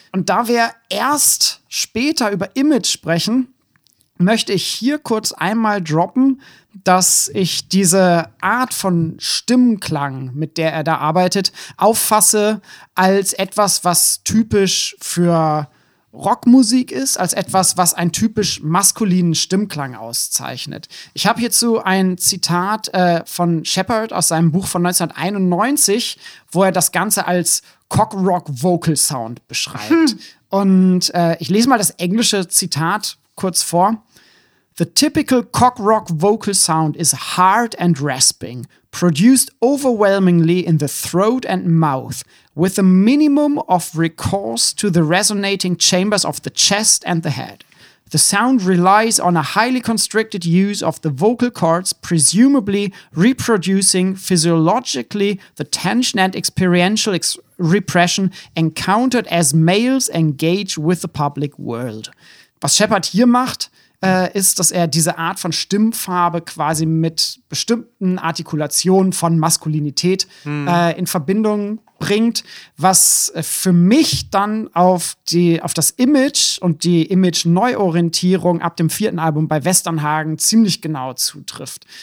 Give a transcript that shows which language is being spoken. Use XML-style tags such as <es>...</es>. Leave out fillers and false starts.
<de>Und da wir erst später über Image sprechen, möchte ich hier kurz einmal droppen, dass ich diese Art von Stimmklang, mit der er da arbeitet, auffasse als etwas, was typisch für Rockmusik ist, als etwas, was einen typisch maskulinen Stimmklang auszeichnet. Ich habe hierzu ein Zitat von Shepard aus seinem Buch von 1991, wo er das Ganze als Cockrock-Vocal-Sound beschreibt. Und ich lese mal das englische Zitat kurz vor.</de> <en>The typical cock rock vocal sound is hard and rasping, produced overwhelmingly in the throat and mouth, with a minimum of recourse to the resonating chambers of the chest and the head. The sound relies on a highly constricted use of the vocal cords, presumably reproducing physiologically the tension and experiential repression encountered as males engage with the public world.</en> <de>Was Shepard hier macht, ist, dass er diese Art von Stimmfarbe quasi mit bestimmten Artikulationen von Maskulinität in Verbindung bringt, was für mich dann auf das Image und die Image-Neuorientierung ab dem vierten Album bei Westernhagen ziemlich genau zutrifft.</de>